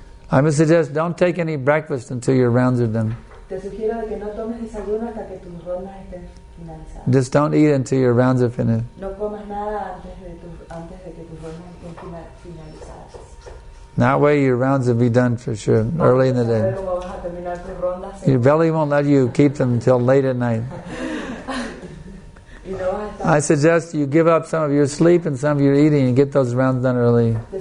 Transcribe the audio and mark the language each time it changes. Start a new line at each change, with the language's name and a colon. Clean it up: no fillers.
English: I would suggest don't take any breakfast until your rounds are done.
Spanish: Te sugiero que no tomes desayuno hasta que tus rondas estén finalizadas.
English: Just don't eat until your rounds are finished.
Spanish: No comas nada antes de que tus rondas estén finalizadas.
English: That way your rounds will be done for sure, early in the day. Your belly won't let you keep them until late at night. I suggest you give up some of your sleep and some of your eating and get those rounds done early.